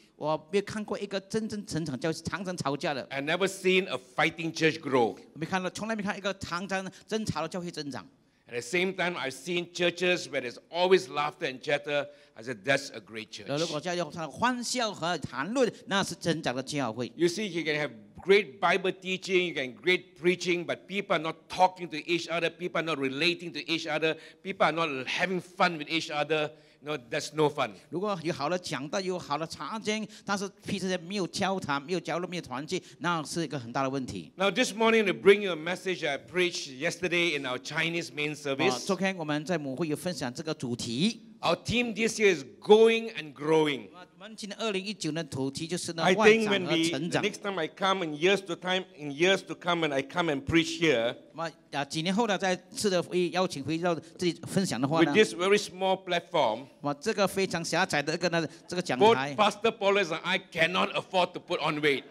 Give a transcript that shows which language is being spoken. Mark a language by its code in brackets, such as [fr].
[zh] 我没有看过一个真正成长教会常常吵架的。 [en] I've never seen a fighting church grow. [zh] 从来没看一个常常争吵的教会增长。 [en] At the same time, I've seen churches where there's always laughter and chatter. I said, that's a great church. [zh] 如果教会上欢笑和谈论，那是真正的教会。 [en] You see, you can have great Bible teaching, you can have great preaching, but people are not talking to each other, people are not relating to each other, people are not having fun with each other. No, that's no fun. [zh] 如果有好的讲道，有好的查经，但是彼此没有交谈，没有交流，没有团聚，那是一个很大的问题。 [en] Now this morning to bring you a message I preached yesterday in our Chinese main service. [zh] 昨天我们在母会有分享这个主题。 [en] Our team this year is going and growing. I think when we, the next time I come in years to come when I come and preach here, with this very small platform, both Pastor Paulus and I cannot afford to put on weight.